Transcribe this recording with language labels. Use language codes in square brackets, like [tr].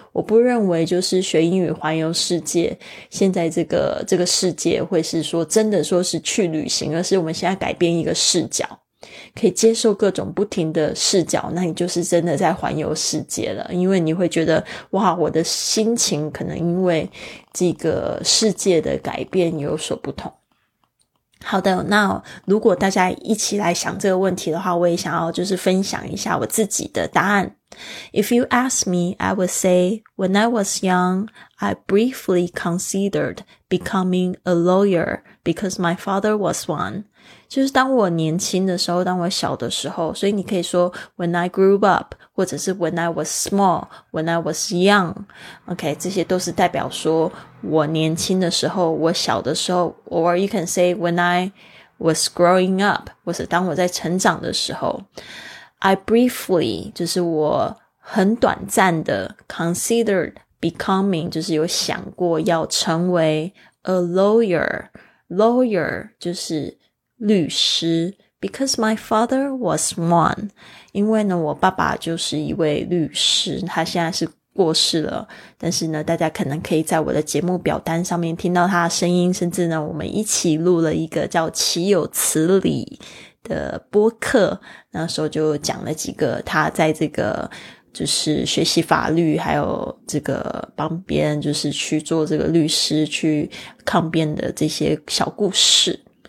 [zh] 我不认为就是学英语环游世界，现在这个世界会是说真的说是去旅行，而是我们现在改变一个视角，可以接受各种不停的视角，那你就是真的在环游世界了。因为你会觉得哇，我的心情可能因为这个世界的改变有所不同。好的，那如果大家一起来想这个问题的话，我也想要就是分享一下我自己的答案。 [en] If you ask me, I would say, when I was young, I briefly considered becoming a lawyer because my father was one. [zh] 就是当我年轻的时候，当我小的时候，所以你可以说 [en] when I grew up, [zh] 或者是 [en] when I was small, when I was young. [zh] OK, 这些都是代表说我年轻的时候，我小的时候， [en] or you can say when I was growing up, [zh] 或者当我在成长的时候。 [en] I briefly, [zh] 就是我很短暂的 [en] considered becoming, [zh] 就是有想过要成为 [en] a lawyer. Lawyer [zh] 就是律师 [en] because my father was one. [zh] 因为呢我爸爸就是一位律师，他现在是过世了，但是呢大家可能可以在我的节目表单上面听到他的声音，甚至呢我们一起录了一个叫岂有此理的播客，那时候就讲了几个他在这个就是学习法律，还有这个帮别人就是去做这个律师去抗辩的这些小故事，